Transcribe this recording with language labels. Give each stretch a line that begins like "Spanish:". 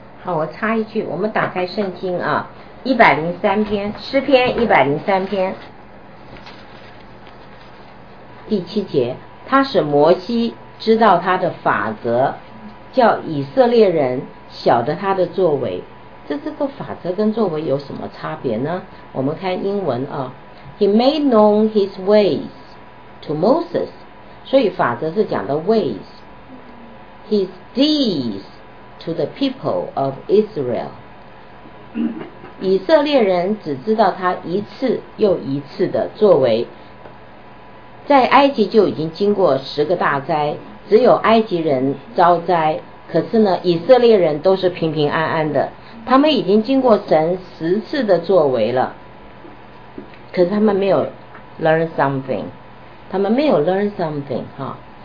Chinese: 好，我插一句，我们打开圣经啊。103篇，诗篇103篇第七节，他使摩西知道他的法则，叫以色列人晓得他的作为。这个法则跟作为有什么差别呢？我们看英文啊，
English: He made known his ways to Moses，
Chinese: 所以法则是讲的 ways，
English: His deeds to the people of Israel。
Chinese: 以色列人只知道他一次又一次的作为，在埃及就已经经过10个大灾，只有埃及人遭灾，可是呢，以色列人都是平平安安的，他们已经经过神10次的作为了，可是他们没有
English: learn something，
Chinese: 他们没有
English: learn something
Chinese: 哈。